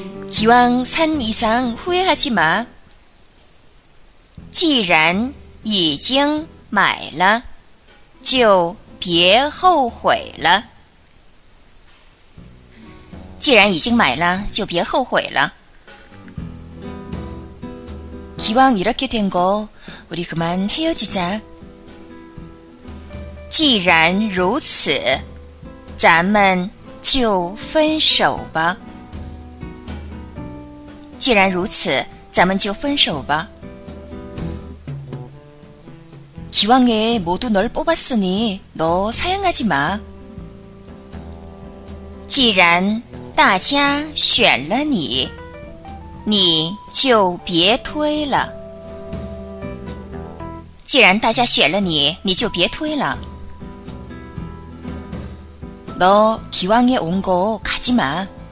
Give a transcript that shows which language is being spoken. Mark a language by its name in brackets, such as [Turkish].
[Korean] 기왕 산 이상 후회하지 마. 지란 이징 마이라 [Chinese] 就别后悔了。既然已经买了就别后悔了。 [Korean] 기왕이렇게된거우리그만헤어지자。 [Chinese] 既然如此咱们就分手吧。既然如此咱们就分手吧。 [Korean] 기왕에모두널뽑았으니너사양하지마 [Chinese] 既然大家选了你你就别推了既然大家选了你你就别推了 [Korean] 너기왕에온거가지마